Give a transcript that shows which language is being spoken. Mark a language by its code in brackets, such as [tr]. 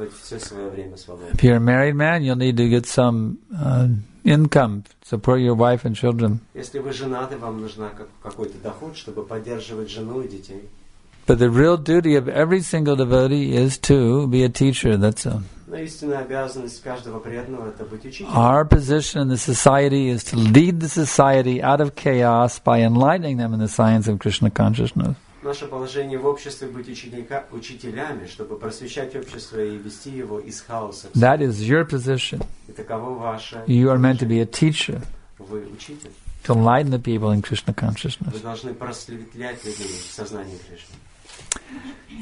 [en] If you're a married man, you'll need to get some income to support your wife and children. But the real duty of every single devotee is to be a teacher, that's all. [ru] Но истинная обязанность каждого преданного – это быть учителем. [en] Our position in the society is to lead the society out of chaos by enlightening them in the science of Krishna consciousness. [ru] Наше положение в обществе – быть учителями, чтобы просвещать общество и вести его из хаоса. [en] That is your position. [ru] И таково ваше. [en] You are meant to be a teacher. [ru] Вы учитель. [en] To enlighten the people in Krishna consciousness. [ru] Вы должны просветлять людей в сознании Кришны.